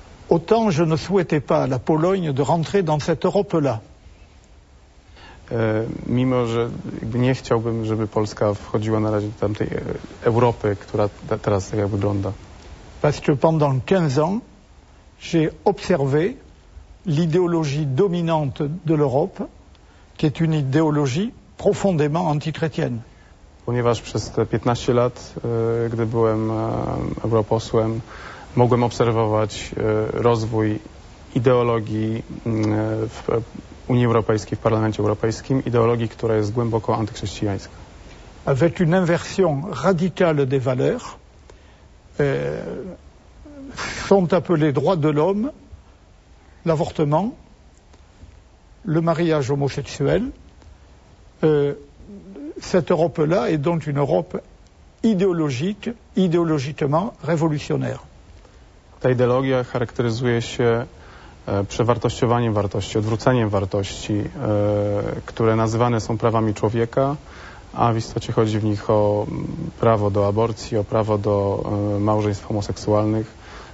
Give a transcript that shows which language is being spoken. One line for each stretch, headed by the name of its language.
French: Autant je ne souhaitais pas la Pologne de rentrer dans cette Europe-là.
Polish: Mimo że jakby nie chciałbym, żeby Polska wchodziła na razie do tamtej Europy, która teraz tak jak wygląda.
French: Parce que pendant 15 ans, j'ai observé l'idéologie dominante de l'Europe, qui est une idéologie profondément antichrétienne.
Polish: Ponieważ przez te 15 lat, gdy byłem europosłem, mogłem obserwować rozwój ideologii w Unii Europejskiej, w Parlamencie Europejskim, ideologii, która jest głęboko antychrześcijańska.
French: Avec une inversion radicale des valeurs, sont appelés droits de l'homme, l'avortement, le mariage homosexuel, cette Europe-là est donc une Europe idéologique, idéologiquement révolutionnaire.
Polish: Ta ideologia charakteryzuje się przewartościowaniem wartości, odwróceniem wartości, które nazywane są prawami człowieka, a w istocie chodzi w nich o prawo do aborcji, o prawo do małżeństw homoseksualnych.